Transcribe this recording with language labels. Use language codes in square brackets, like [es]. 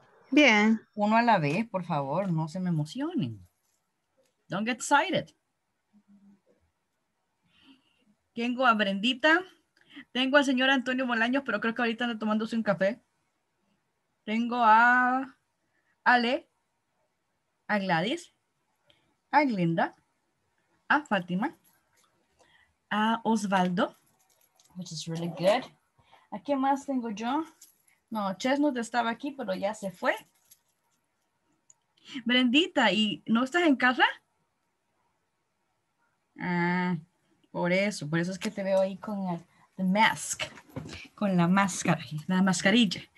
[es] Bien. Uno a la vez, por favor, no se me emocionen. [en] Don't get excited. [es] Tengo a Brendita. Tengo al señor Antonio Bolaños, pero creo que ahorita anda tomándose un café. Tengo a Ale, a Gladys, a Glinda, a Fátima, a Osvaldo, [en] which is really good. [es] ¿A qué más tengo yo? No, Chesnut estaba aquí, pero ya se fue. Brendita, ¿y no estás en casa? Ah, por eso es que te veo ahí con el [en] the mask, [es] con la máscara, la mascarilla.